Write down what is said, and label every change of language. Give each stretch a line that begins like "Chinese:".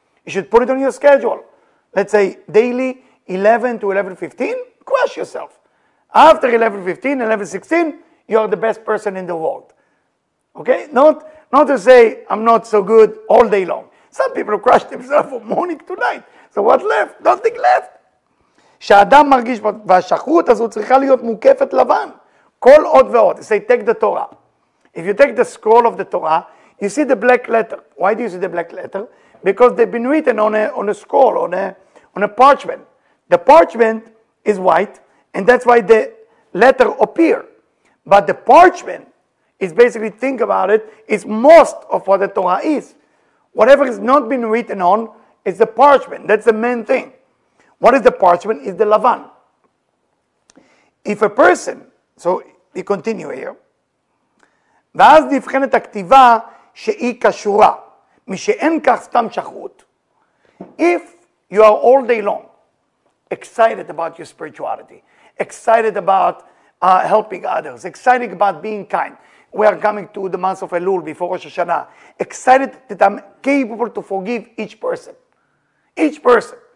English: You should put it on your schedule. Let's say daily, 11 to 11:15, crush yourself. After 11:15, 11:16, you are the best person in the world. Okay? Not to say I'm not so good all day long. Some people crush themselves from morning to night. So what left? Nothing left.
Hebrew: שאדם מרגיש והשחרות הזו צריכה להיות מוקפת לבן. כל עוד ועוד.
English: Say, take the Torah. If you take the scroll of the Torah, you see the black letter. Why do you see the black letter? Because they've been written on a scroll, on a parchment. The parchment is white, and that's why the letter appear. But the parchment is basically, think about it, is most of what the Torah is. Whatever has not been written on is the parchment. That's the main thing. What is the parchment? It's the lavan. If a person, so we continue here.
Hebrew: ואז נבחנת הכתיבה שהיא קשורה. משאין כך סתם שחרות.
English: If you are all day long excited about your spirituality, excited about helping others, excited about being kind. We are coming to the month of Elul before Rosh Hashanah, excited that I'm capable to forgive each person. Each person.